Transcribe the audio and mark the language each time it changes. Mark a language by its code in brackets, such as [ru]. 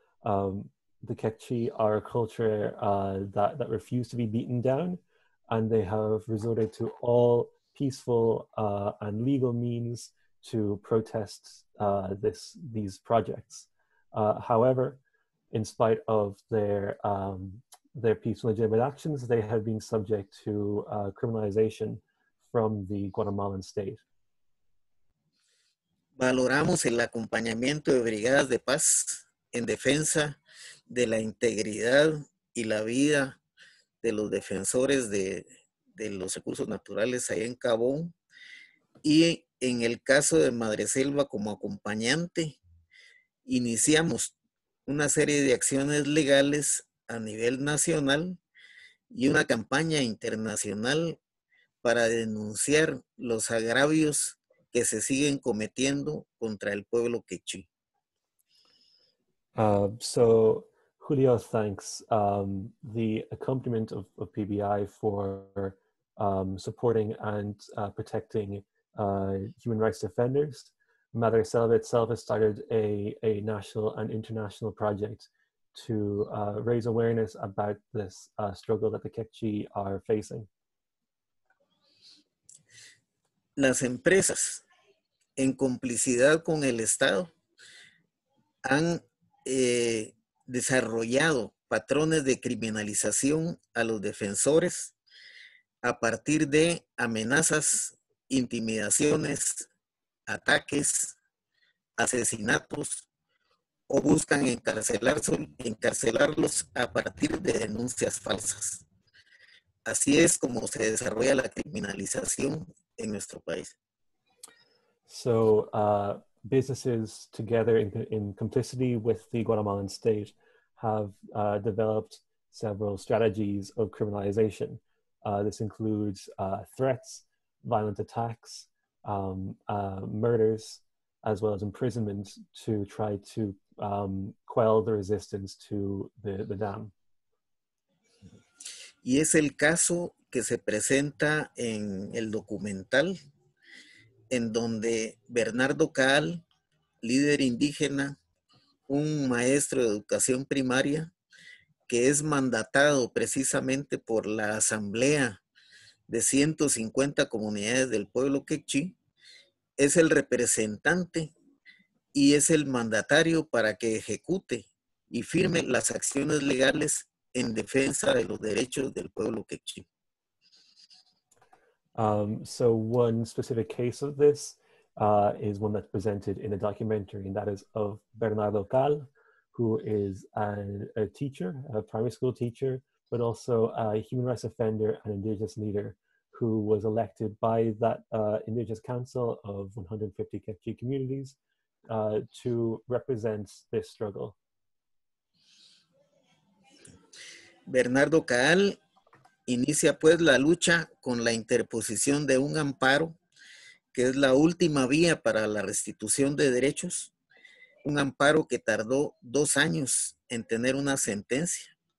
[en] The Quechí are a culture that refuse to be beaten down, and they have resorted to all peaceful and legal means to protest these projects. However, in spite of their peaceful legitimate actions, they have been subject to criminalization from the Guatemalan state. [es] Valoramos el acompañamiento de brigadas de paz en defensa de la integridad y la vida de los defensores de los recursos naturales ahí en Cabón, y en el caso de Madre Selva como acompañante, iniciamos una serie de acciones legales a nivel nacional y una campaña internacional para denunciar los agravios que se siguen cometiendo contra el pueblo quechí. [en] So Julio thanks the accompaniment of PBI for supporting and protecting human rights defenders. Madre Selva itself has started a national and international project to raise awareness about this struggle that the Quechí are facing. [es] Las empresas, en complicidad con el Estado, han desarrollado patrones de criminalización a los defensores a partir de amenazas, intimidaciones, ataques, asesinatos, o buscan encarcelarlos a partir de denuncias falsas. Así es como se desarrolla la criminalización en nuestro país. [en] So, businesses together in complicity with the Guatemalan state have developed several strategies of criminalization. This includes threats, violent attacks, murders, as well as imprisonment to try to quell the resistance to the dam. [es] Y es el caso que se presenta en el documental en donde Bernardo Caal, líder indígena, un maestro de educación primaria, que es mandatado precisamente por la asamblea de 150 comunidades del pueblo Quechí, es el representante y es el mandatario para que ejecute y firme las acciones legales en defensa de los derechos del pueblo Quechí. [en] So one specific case of this is one that's presented in a documentary, and that is of Bernardo Cal, who is a teacher, a primary school teacher, but also a human rights offender and indigenous leader who was elected by that indigenous council of 150 Quechua communities to represent this struggle. [es] Bernardo Cal inicia pues la lucha con la interposición de un amparo, que es la última vía para la restitución de derechos, un amparo que tardó 2 años en tener una sentencia.